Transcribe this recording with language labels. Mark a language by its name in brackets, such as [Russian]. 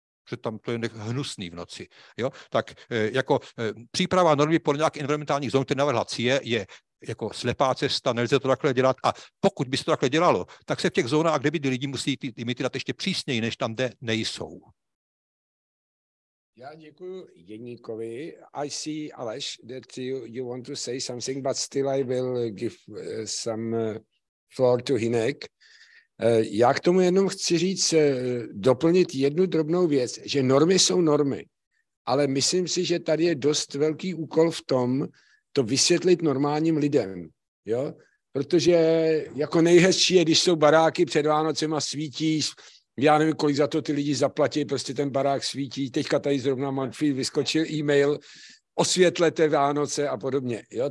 [Czech] že tam to je hnusný v noci. Jo? Tak jako příprava normy podle nějakých environmentálních zón, které navrhla CIE, je jako slepá cesta, nelze to takhle dělat. A pokud by se to takhle dělalo, tak se v těch zónách, kde by ty lidi musí ty limity dát ještě přísněji, než tam, kde nejsou. Já děkuji Jeníkovi. [English] I see, Aleš, that you want to say something, but still I will give some floor to Hinek. [Czech] Já k tomu jenom chci říct, doplnit jednu drobnou věc, že normy jsou normy, ale myslím si, že tady je dost velký úkol v tom to vysvětlit normálním lidem, jo? Protože jako nejhezčí je, když jsou baráky před Vánocem a svítí, já nevím, kolik za to ty lidi zaplatí, prostě ten barák svítí, teďka tady zrovna Manfred vyskočil e-mail, osvětlete Vánoce a podobně, jo?